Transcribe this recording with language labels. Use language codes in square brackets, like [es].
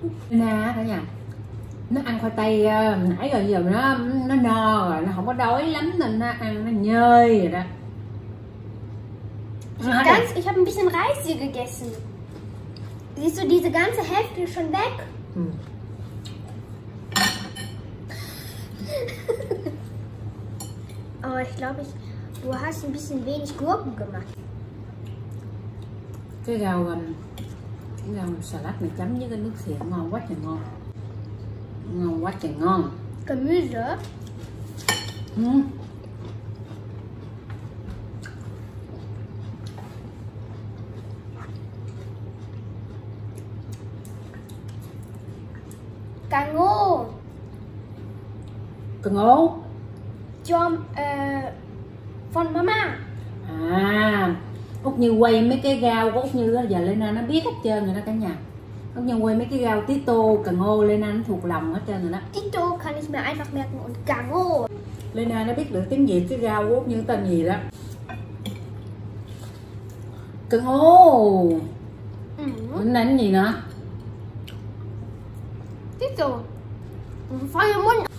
[vi] Nè cả nhà, nó ăn khoai tây nãy rồi, giờ nó no rồi, nó không có đói lắm nên nó ăn nó nhơi rồi đó. [de] Ganz, ich habe ein bisschen Reis hier gegessen. Siehst du diese ganze Hälfte schon weg? Aber ich glaube, du hast ein bisschen wenig Gurken gemacht. [vi] Cái rau salad này chấm với cái nước xì ngon quá trời ngon. Ngon quá trời ngon. [de] Gemüse. [vi] Cà ngô. Cà ngô. Cho phần mama. À, Úc Như quay mấy cái rau của Úc Như á, giờ Lena nó biết hết trơn rồi đó cả nhà. Úc Như quay mấy cái rau tí tô, cà ngô, Lena nó thuộc lòng hết trơn rồi đó. [de] Tí tô kann ich mir einfach merken und cà ngô. [vi] Lena nó biết được tiếng Việt cái rau của Úc Như tên gì đó. Cà ngô. Lena nó gì nữa? Tí tô. Phải không muốn.